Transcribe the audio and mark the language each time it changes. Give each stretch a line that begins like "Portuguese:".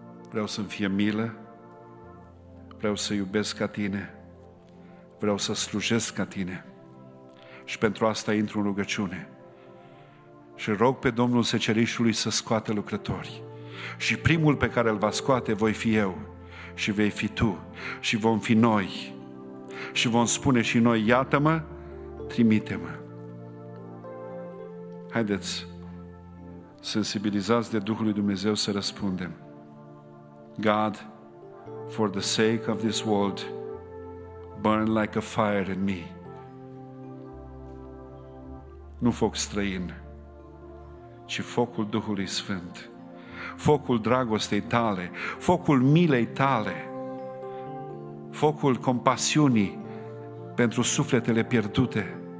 Romanian: Vreau să-mi fie milă, vreau să iubesc ca Tine, vreau să slujesc ca Tine și pentru asta intru în rugăciune și rog pe Domnul Secerișului să scoată lucrători și primul pe care îl va scoate voi fi eu și vei fi tu și vom fi noi și vom spune și noi, iată-mă, trimite-mă. Haideți, sensibilizați de Duhul lui Dumnezeu să răspundem.
English: God, for the sake of this world, burn like a fire in me.
Romanian: Nu foc străin, ci focul Duhului Sfânt, focul dragostei Tale, focul milei Tale, focul compasiunii pentru sufletele pierdute.